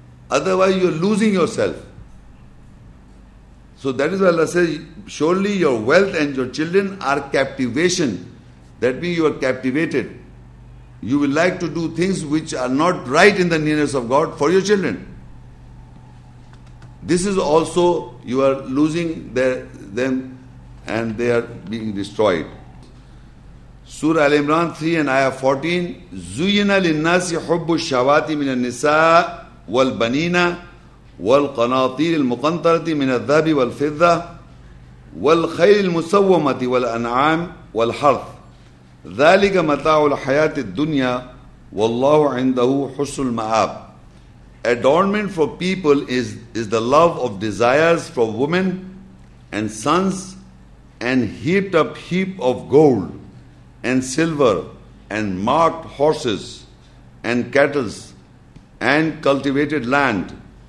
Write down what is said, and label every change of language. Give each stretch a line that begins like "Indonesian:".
English: Otherwise, you are losing yourself. So that is why Allah says, surely your wealth and your children are captivation. That means you are captivated. You will like to do things which are not right in the nearness of God for your children. This is also, you are losing them, and they are being destroyed. Surah Al-Imran 3 and Ayah 14,
Arabic: زُيِّنَ لِلنَّاسِ حُبُّ الشَّهَوَاتِ مِنَ النِّسَاءِ والبنينة والقناطير المقنطرة من الذهب والفضة والخيل المسومة والأنعام والحرث ذلك متاع الحياة الدنيا والله عنده حسن المآب.
English: Adornment for people is the love of desires for women and sons, and heaped up heap of gold and silver and marked horses and cattle and cultivated land.